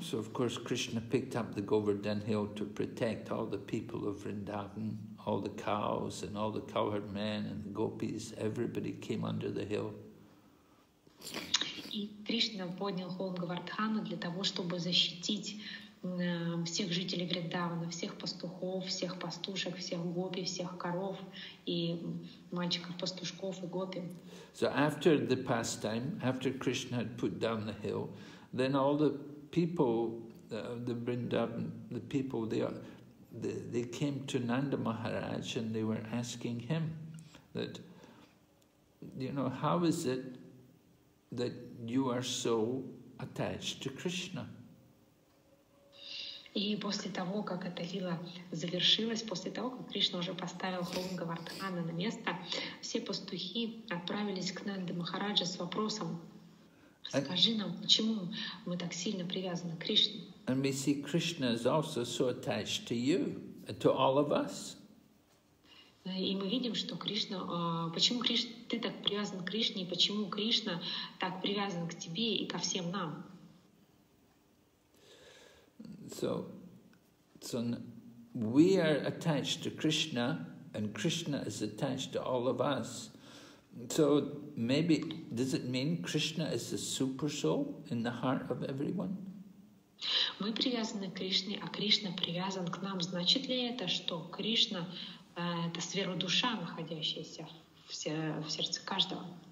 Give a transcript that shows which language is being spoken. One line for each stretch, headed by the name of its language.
English: So, of course, Krishna picked up the Govardhan Hill to protect all the people of Vrindavan, all the cows and all the cowherd men and the gopis, everybody came under the hill.
Russian: И Кришна поднял холм Говардхана для того, чтобы защитить всех жителей Вриндавана, всех пастухов, всех пастушек, всех гопи, всех коров и мальчиков-пастушков и гопи.
English: So after the pastime, after Krishna had put down the hill, then all the people, the Vrindavan, the people, they came to Nanda Maharaj and they were asking him that, you know, how is it that you are so attached to Krishna?
Russian: И после того, как эта лила завершилась, после того, как Кришна уже поставил холм Говардхана на место, все пастухи отправились к Нанда Махараджа с вопросом: «Скажи нам, почему мы так сильно привязаны к Кришне?»
English: And we see Krishna is also so attached to you, to all of us.
Russian: И мы видим, что Кришна, почему Кришна, ты так привязан к Кришне, и почему Кришна так привязан к тебе и ко всем нам.
English: So we are attached to Krishna, and Krishna is attached to all of us. So maybe, does it mean Krishna is the super soul in the heart of everyone?
Russian: Мы привязаны к Кришне, а Кришна привязан к нам. Значит ли это, что Кришна это сверхдуша, находящаяся в сердце каждого?